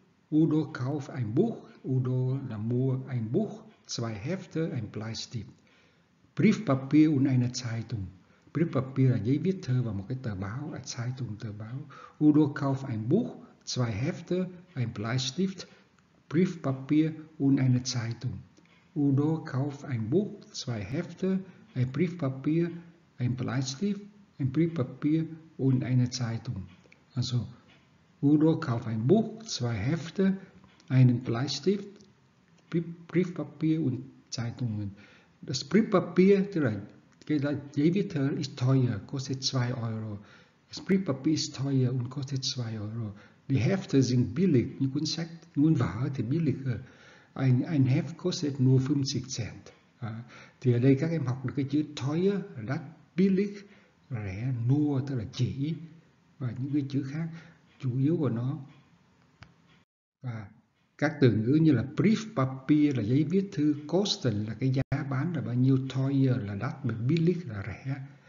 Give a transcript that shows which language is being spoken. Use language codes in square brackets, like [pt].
[de] Udo kauft ein Buch, [vi] Udo là mua [de] ein Buch. Zwei Hefte, ein Bleistift, Briefpapier und eine Zeitung. [vi] Briefpapier là giấy viết thư và một cái tờ báo, [de] eine Zeitung, [vi] tờ báo. [de] Udo kauft ein Buch, zwei Hefte, ein Bleistift, Briefpapier und eine Zeitung. Udo kauft ein Buch, zwei Hefte, ein Briefpapier, ein Bleistift, ein Briefpapier und eine Zeitung. Also, Udo kauft ein Buch, zwei Hefte, einen Bleistift, Briefpapier und Zeitungen. Das Briefpapier, [vi] tức là cái giấy viết thư, [de] is teuer, kostet 2 euro. Das Briefpapier is teuer und kostet 2 euro. Die Hefte sind billig, [vi] như cuốn sách, cuốn vở thì [de] billig. Ein Heft kostet nur 50 cent. [vi] À, thì ở đây các em học được cái chữ teuer, rất billig, rẻ, nur, tức là chỉ, và những cái chữ khác chủ yếu của nó. Và các từ ngữ như là Briefpapier là giấy viết thư, Kosten là cái giá bán là bao nhiêu, Teuer là đắt, Billig là rẻ.